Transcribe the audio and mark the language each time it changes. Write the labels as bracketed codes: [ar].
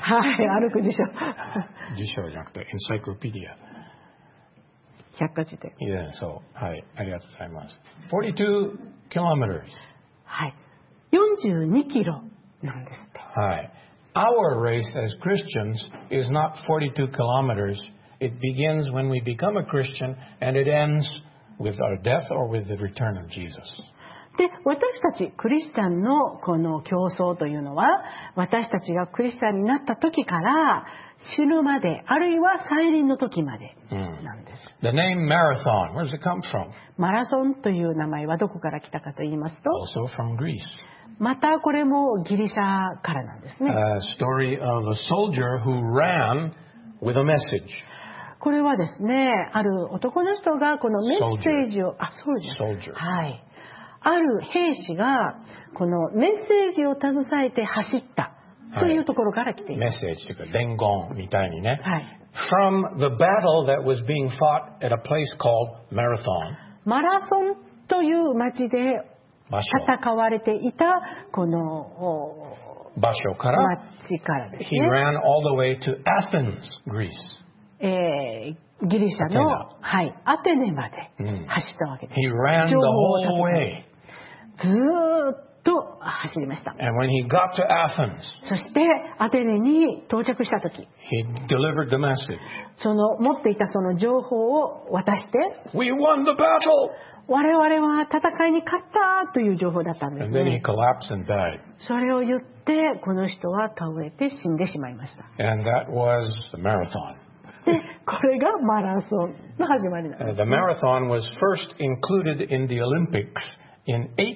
[ja] はい、歩く辞書。辞書じゃなくて encyclopedia。百科事典。 [en] Yeah, so, [ja] はい、ありがとうございます。 [en] 42 kilometers. [ja] はい、42キロなんですって。 [en] はい。Our race as Christians is not 42 kilometers. It begins when we become a Christian and it ends with our death or with the return of Jesus. [ja] で、私たちクリスチャンのこの競争というのは、私たちがクリスチャンになった時から死ぬまで、あるいは再臨の時までなんです。 [en] The name marathon, where does it come from? [ja] マラソンという名前はどこから来たかと言いますと、 [en] Also from Greece. [ja] またこれもギリシャからなんですね。 [en] A story of a soldier who ran with a message. [ja] これはですね、ある男の人がこのメッセージを、はい、ある兵士がこのメッセージを携えて走ったというところから来ています。メッセージというか伝言みたいにね。はい。 [en] From the battle that was being fought at a place called Marathon. [ja] マラソンという町で戦われていたこの場所から、町からですね。 [en] He ran all the way to Athens, Greece. [ja] ギリシャの、はい、アテネまで走ったわけです。 [en] He ran the whole way. [ja] ずっと走りました。 [en] And when he got to Athens, [ja] そしてアテネに到着したとき、 [en] he delivered the message. [ja] その持っていたその情報を渡して、 [en] We won the battle. [ja] 我々は戦いに勝ったという情報だったんですね。 [en] And then he collapsed and died. [ja] それを言ってこの人は倒れて死んでしまいました。 [en] And that was the marathon. [ja] これがマラソンの始まりなんです。 [en] The marathon was first included in the Olympics in